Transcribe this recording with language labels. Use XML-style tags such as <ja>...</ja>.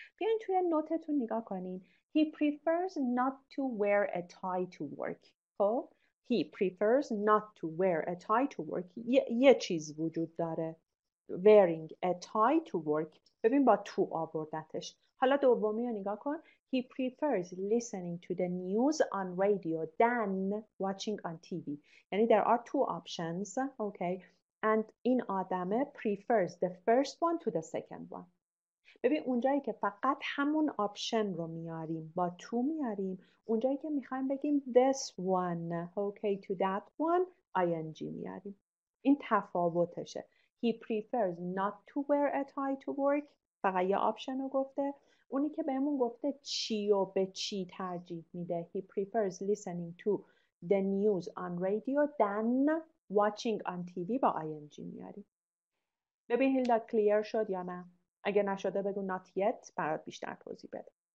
<fa>بیاین توی نوتتون نگاه کنین.</fa> <en>He prefers not to wear a tie to work.</en> <fa>خب.</fa> <en>He prefers not to wear a tie to work.</en> <fa>یه چیز وجود داره.</fa> <en>Wearing a tie to work.</en> <fa>ببین با تو آوردتش. حالا دومی رو نگاه کن.</fa> <en>He prefers listening to the news on radio than watching on TV. یعنی there are two options. Okay. And این آدمه prefers the first one to the second one.</en> <fa>ببین اونجایی که فقط همون آپشن رو میاریم با تو میاریم، اونجایی که میخوایم بگیم this one okay to that one ing میاریم. این تفاوتشه.</fa> <en>He prefers not to wear a tie to work.</en> <fa>فقط یه آپشن رو گفته. اونی که بهمون گفته چی و به چی ترجیح میده.</fa> <en>He prefers listening to the news on radio than watching on TV با ing میاریم.</en> <fa>ببین هیلدا کلیر شد یا نه؟ اگه نشده بگو not yet برات بیشتر توضیح بده.</fa>